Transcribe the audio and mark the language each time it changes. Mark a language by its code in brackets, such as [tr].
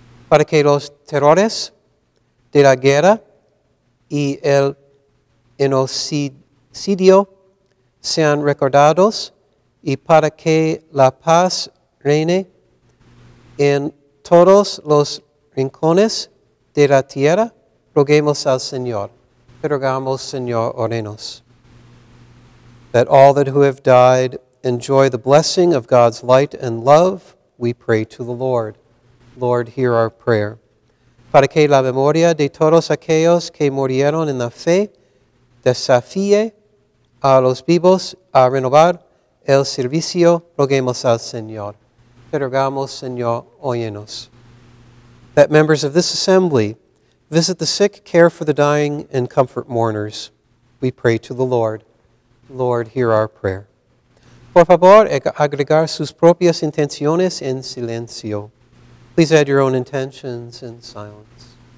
[es] Para que los terrores de la guerra y el genocidio sean recordados y para que la paz reine en todos los rincones de la tierra, roguemos al Señor, rogamos, Señor, orenos. [en] That all that who have died enjoy the blessing of God's light and love, we pray to the Lord. Lord, hear our prayer. [es] Para que la memoria de todos aquellos que murieron en la fe desafíe a los vivos a renovar el servicio, roguemos al Señor, rogamos, Señor, óyenos. [en] That members of this assembly visit the sick, care for the dying, and comfort mourners. We pray to the Lord. Lord, hear our prayer. [es] Por favor, agregar sus propias intenciones en silencio. [en] Please add your own intentions in silence.